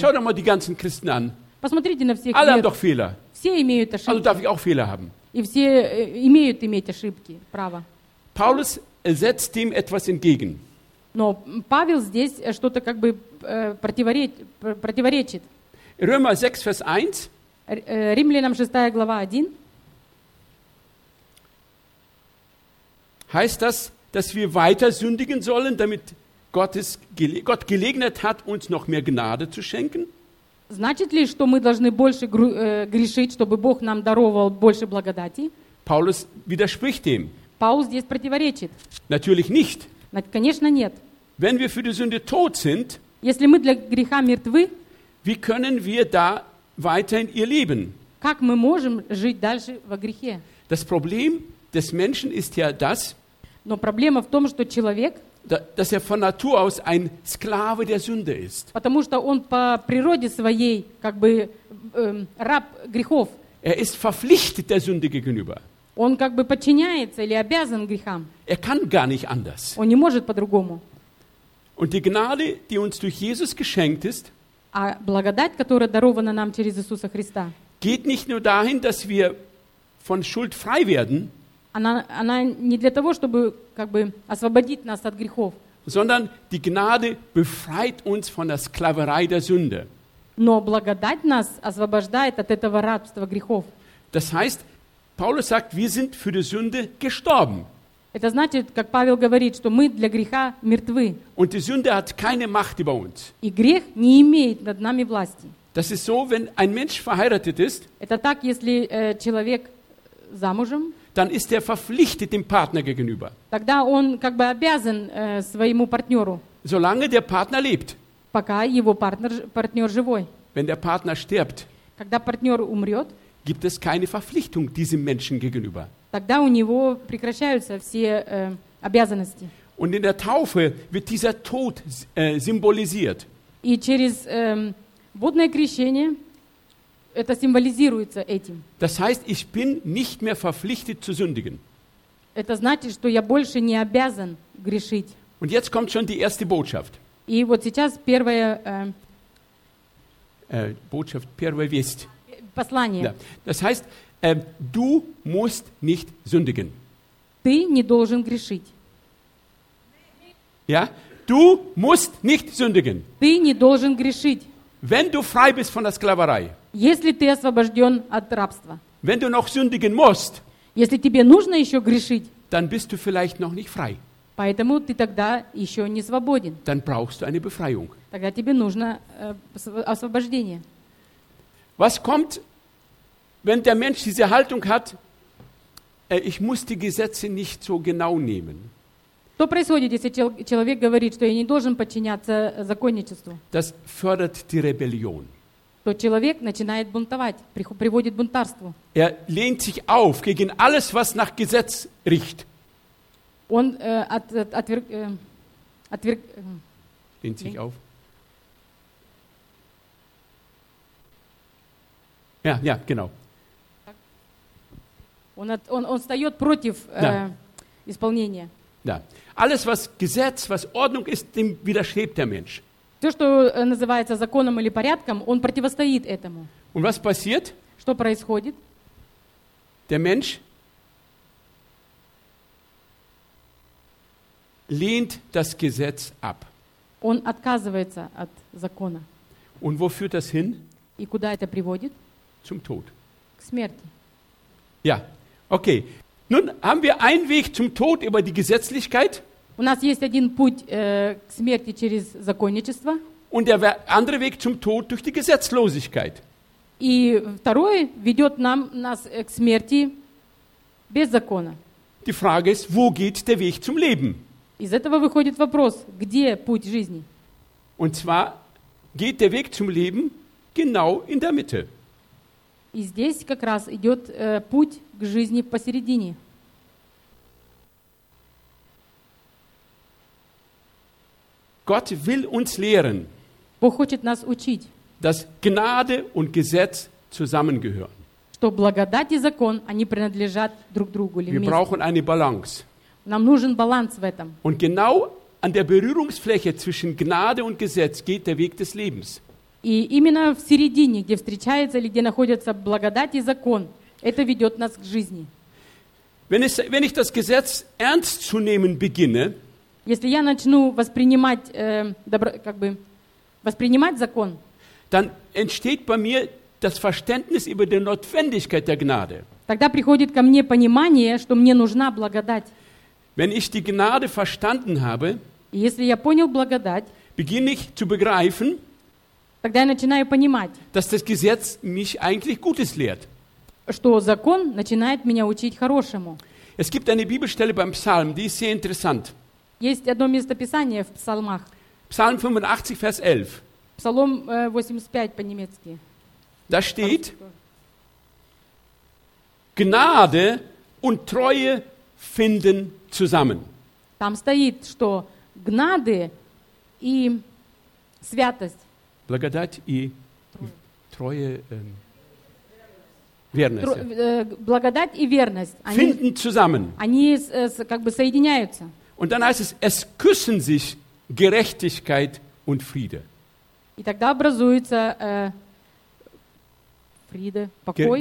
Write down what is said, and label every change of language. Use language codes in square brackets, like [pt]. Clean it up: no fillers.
[de] Schau doch mal die ganzen Christen an. [ru] Посмотрите на всех. [de] Alle haben doch Fehler. [ru] Все имеют ошибки. [de] Also darf ich auch Fehler haben. [ru] И все имеют иметь ошибки, право. [de] Paulus setzt dem etwas entgegen. [ru] Но Павел здесь что-то как бы противоречит. [de] Römer 6, Vers 1. [ru] Римлянам 6, глава 1. [de] Heißt das, dass wir weiter sündigen sollen, damit Gott Gelegenheit hat, uns noch mehr Gnade zu schenken? [ru] Значит ли, что мы должны больше грешить, чтобы Бог нам даровал больше благодати? [de] Paulus widerspricht dem. [ru] Paulus здесь противоречит. [de] Natürlich nicht. [ru] Конечно нет. [de] Wenn wir für die Sünde tot sind, [ru] если мы для греха мертвы, [de] wie können wir da weiterhin ihr leben? [ru] Как мы можем жить дальше во грехе? [de] Das Problem des Menschen ist ja das, [ru] но проблема в том, что человек, [de] dass er von Natur aus ein Sklave der Sünde ist. [ru] Потому что он по природе своей как бы раб грехов. [de] Er ist verpflichtet der Sünde gegenüber. [ru] Он как бы подчиняется или обязан грехам. [de] Er kann gar nicht anders. [ru] Он не может по-другому. [de] Und die Gnade, die uns durch Jesus geschenkt ist, [ru] а благодать, которая дарована нам через Иисуса Христа, [de] geht nicht nur dahin, dass wir von Schuld frei werden, [ru] она не для того, чтобы как бы освободить нас от грехов, [de] sondern die Gnade befreit uns von der Sklaverei der Sünde. [ru] Но благодать нас освобождает от этого рабства грехов. [de] Das heißt, Paulus sagt, wir sind für die Sünde gestorben. [ru] Это значит, как Павел говорит, что мы для греха мертвы. [de] Und die Sünde hat keine Macht über uns. [ru] И грех не имеет над нами власти. [de] Das ist so, wenn ein Mensch verheiratet ist. [ru] Это так, если человек замужем. [de] dann ist er verpflichtet dem Partner gegenüber. [ru] Тогда он как бы обязан своему партнеру. [de] Solange der Partner lebt. [ru] Пока его партнер живой. [de] Wenn der Partner stirbt. [ru] Когда партнер умрет. [de] Gibt es keine Verpflichtung diesem Menschen gegenüber. [ru] Тогда у него прекращаются все обязанности. [de] Und in der Taufe wird dieser Tod symbolisiert. [ru] И через водное крещение это символизируется этим. [de] Das heißt, ich bin nicht mehr verpflichtet zu sündigen. [ru] Это значит, что я больше не обязан грешить. [de] Und jetzt kommt schon die erste Botschaft. [ru] И вот сейчас первая [de] Botschaft, [ru] первая весть. Послание. Да. [de] Das heißt, du musst nicht sündigen. [ru] Ты не должен грешить. [de] Ja? Du musst nicht sündigen. [ru] Ты не должен грешить. [de] Wenn du frei bist von der Sklaverei. [ru] Если ты освобожден от рабства. [de] Wenn du noch sündigen musst. [ru] Если тебе нужно еще грешить. [de] Dann bist du vielleicht noch nicht frei. [ru] Поэтому ты тогда еще не свободен. [de] Dann brauchst du eine Befreiung. [ru] Тогда тебе нужно освобождение. [de] Was kommt, wenn der Mensch diese Haltung hat, ich muss die Gesetze nicht so genau nehmen? [ru] Что происходит, если человек говорит, что я не должен подчиняться законничеству? [de] Das fördert die Rebellion. [ru] То человек начинает бунтовать, приводит бунтарству. [de] Er lehnt sich auf gegen alles, was nach Gesetz riecht. [ru] Он отверг... [de] Lehnt sich auf. Ja, ja, genau. [ru] Он встает против исполнения. Да. [de] Alles, was Gesetz, was Ordnung ist, dem widerstrebt der Mensch. [ru] То, что называется законом или порядком, он противостоит этому. [de] Und was passiert? [ru] Что происходит? [de] Der Mensch lehnt das Gesetz ab. [ru] Он отказывается от закона. [de] Und wo führt das hin? [ru] И куда это приводит? [de] Zum Tod. [ru] К смерти. [de] Ja, okay. Nun haben wir einen Weg zum Tod über die Gesetzlichkeit. [ru] У нас есть один путь к смерти через законничество. [de] Und der andere Weg zum Tod durch die Gesetzlosigkeit. [ru] И второй ведет нас к смерти без закона. [de] Die Frage ist, wo geht der Weg zum Leben? [ru] Из этого выходит вопрос, где путь жизни? [de] Und zwar geht der Weg zum Leben genau in der Mitte. [ru] И здесь как раз идет путь к жизни посередине. [de] Gott will uns lehren, [ru] Бог хочет нас учить, [de] dass Gnade und Gesetz zusammengehören. [ru] Что благодать и закон, они принадлежат друг другу. [de] Wir brauchen eine Balance. [ru] Нам нужен баланс в этом. [de] Und genau an der Berührungsfläche zwischen Gnade und Gesetz geht der Weg des Lebens. [ru] И именно в середине, где встречается или где находится благодать и закон, это ведет нас к жизни. [de] Wenn ich das Gesetz ernst zu nehmen beginne, [ru] если я начну воспринимать закон, [de] dann entsteht bei mir das Verständnis über die Notwendigkeit der Gnade. [ru] Тогда приходит ко мне понимание, что мне нужна благодать. [de] Wenn ich die Gnade verstanden habe, [ru] если я понял благодать, [de] beginne ich zu begreifen, [ru] тогда я начинаю понимать, [de] dass das Gesetz mich eigentlich Gutes lehrt. [ru] Что закон начинает меня учить хорошему. [de] Es gibt eine Bibelstelle beim Psalm, die ist sehr interessant. [ru] Есть одно местописание в псалмах. [de] Psalm 85, Vers 11. [ru] Псалом 85 по-немецки. [de] Da steht: Gnade und Treue finden zusammen. [ru] Там стоит, что Gnade и святость. Благодать и Treue, верность. Благодать и верность. Они, [de] finden zusammen. [ru] Они как бы соединяются. [de] Und dann heißt es, es küssen sich Gerechtigkeit und Friede. [ru] И тогда образуется Friede, Покой.